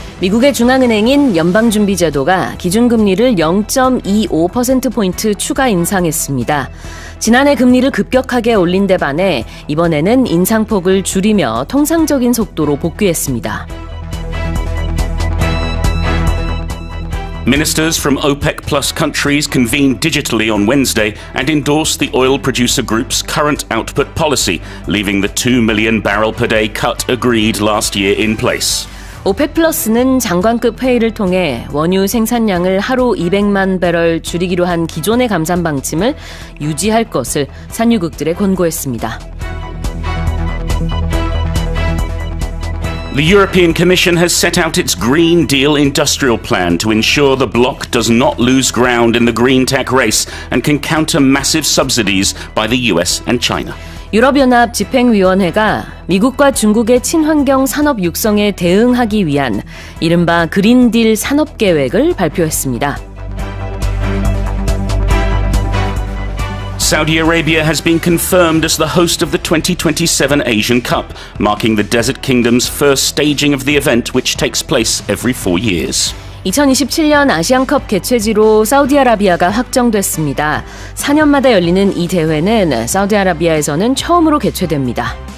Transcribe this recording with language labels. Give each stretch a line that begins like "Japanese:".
Korean: 미국의 중앙은행인 연방준비제도가 기준금리를 0.25%포인트 추가 인상했습니다. 지난해 금리를 급격하게 올린 데 반해 이번에는 인상폭을 줄이며 통상적인 속도로 복귀했습니다.
English: Ministers from OPEC plus countries convened digitally on Wednesday and endorsed the oil producer group's current output policy, leaving the 2 million barrel per day cut agreed last year in place.
Korean: OPEC 플러스는 장관급 회의를 통해 원유 생산량을 하루 200만 배럴 줄이기로 한 기존의 감산 방침을 유지할 것을 산유국들에 권고했습니다.
English: The European Commission has set out its Green Deal industrial plan to ensure the bloc does not lose ground in the green tech race and can counter massive subsidies by the US and China.
Korean: 유럽연합 집행위원회가 미국과 중국의 친환경 산업 육성에 대응하기 위한 이른바 그린딜 산업계획을 발표했습니다.
English: Saudi Arabia has been confirmed as the host of the 2027 Asian Cup, marking the Desert Kingdom's first staging of the event, which takes place every 4 years.
Korean: 2027년 아시안컵 개최지로 사우디아라비아가 확정됐습니다. 4년마다 열리는 이 대회는 사우디아라비아에서는 처음으로 개최됩니다.